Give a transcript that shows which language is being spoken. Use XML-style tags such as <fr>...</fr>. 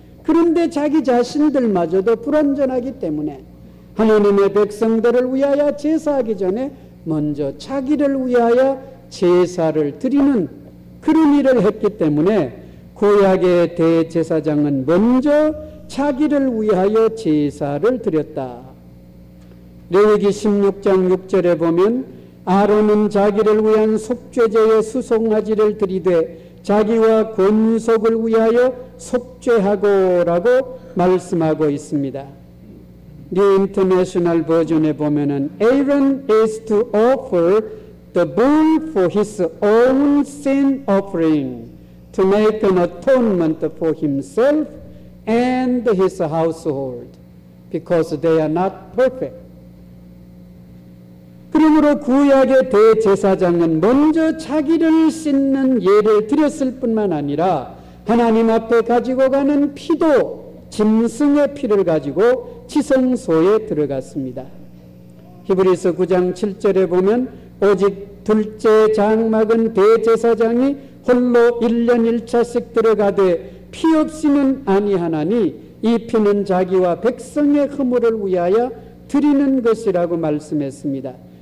<ko>그런데 자기 자신들마저도 불완전하기 때문에 하나님의 백성들을 위하여 제사하기 전에 먼저 자기를 위하여 제사를 드리는 그런 일을 했기 때문에 구약의 대제사장은 먼저 자기를 위하여 제사를 드렸다. 레위기 16장 6절에 보면 아론은 자기를 위한 속죄제의 수송아지를 드리되 자기와 권속을 위하여 속죄하고 라고 말씀하고 있습니다.</ko> <en>New International Version에</en> <ko>보면은</ko> <en>Aaron is to offer the bull for his own sin offering to make an atonement for himself and his household because they are not perfect.</en> <ko>그러므로 구약의 대제사장은 먼저 자기를 씻는 예를 드렸을 뿐만 아니라 하나님 앞에 가지고 가는 피도 짐승의 피를 가지고 지성소에 들어갔습니다. 히브리서 9장 7절에 보면 오직 둘째 장막은 대제사장이 홀로 1년 1차씩 들어가되 피 없이는 아니하나니 이 피는 자기와 백성의 허물을 위하여 드리는 것이라고 말씀했습니다.</ko>